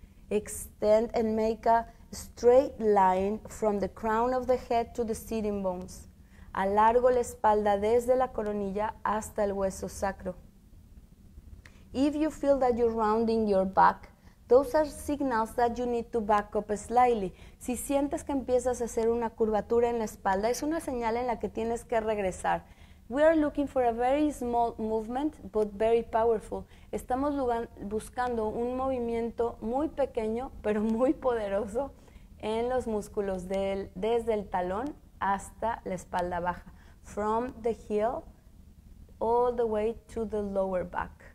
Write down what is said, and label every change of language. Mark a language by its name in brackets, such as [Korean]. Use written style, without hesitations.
[English] Extend and make a straight line from the crown of the head to the sitting bones. [Spanish] Alargo la espalda desde la coronilla hasta el hueso sacro. [English] If you feel that you're rounding your back, those are signals that you need to back up slightly. [Spanish] Si sientes que empiezas a hacer una curvatura en la espalda, es una señal en la que tienes que regresar. [English] We are looking for a very small movement, but very powerful. [Spanish] Estamos buscando un movimiento muy pequeño, pero muy poderoso en los músculos desde el talón hasta la espalda baja. [English] From the heel all the way to the lower back.